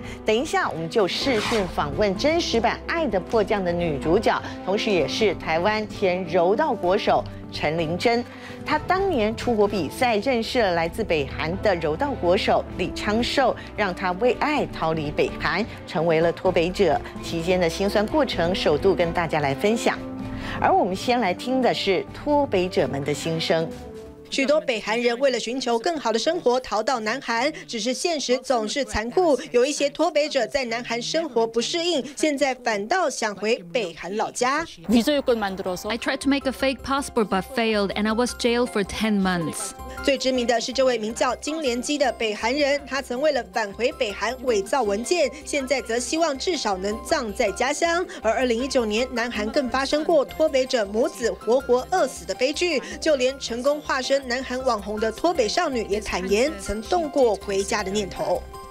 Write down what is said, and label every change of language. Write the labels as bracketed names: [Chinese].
[Chinese] 等一下我们就视讯访问真实版《爱的迫降》的女主角，同时也是台湾前柔道国手陈玲珍，他当年出国比赛认识了来自北韩的柔道国手李昌寿，让他为爱逃离北韩，成为了脱北者，期间的辛酸过程首度跟大家来分享。而我们先来听的是脱北者们的心声。许多北韩人为了寻求更好的生活逃到南韩，只是现实总是残酷，有一些脱北者在南韩生活不适应，现在反倒想回北韩老家。 [English] I tried to make a fake passport but failed and I was jailed for 10 months。 [Chinese] 最知名的是这位名叫金莲姬的北韩人，他曾为了返回北韩伪造文件，现在则希望至少能葬在家乡。而2019年南韩更发生过脱北者母子活活饿死的悲剧，就连成功化身南韩网红的脱北少女也坦言曾动过回家的念头。